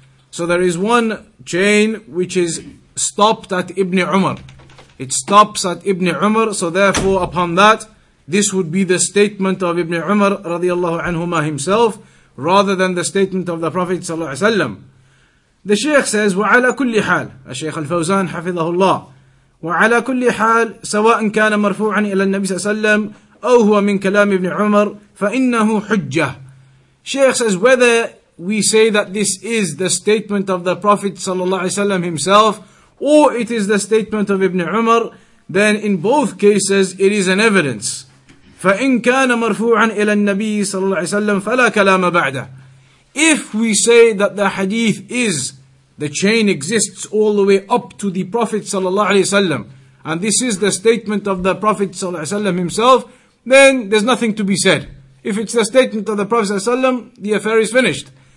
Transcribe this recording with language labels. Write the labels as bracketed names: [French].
[English] So there is one chain which is stopped at Ibn Umar. It stops at Ibn Umar, so therefore upon that, this would be the statement of Ibn Umar رضي الله عنهما himself, rather than the statement of the Prophet صلى الله عليه وسلم. The Shaykh says, [Arabic] وعلى كل حال, الشيخ الفوزان حفظه الله, وعلى كل حال سواء كان مرفوعا إلى النبي صلى الله عليه وسلم أو هو من كلام ابن عمر فإنه حجة. [English] Shaykh says, whether we say that this is the statement of the Prophet صلى الله عليه وسلم himself, or it is the statement of Ibn Umar, then in both cases it is an evidence. [Arabic] فإن كان مرفوعا إلى النبي صلى الله عليه وسلم فلا كلام بعده. [English] If we say that the hadith is, the chain exists all the way up to the Prophet sallallahu alaihi wasallam, and this is the statement of the Prophet sallallahu alaihi wasallam himself, then there's nothing to be said. If it's the statement of the Prophet sallallahu alaihi wasallam, the affair is finished.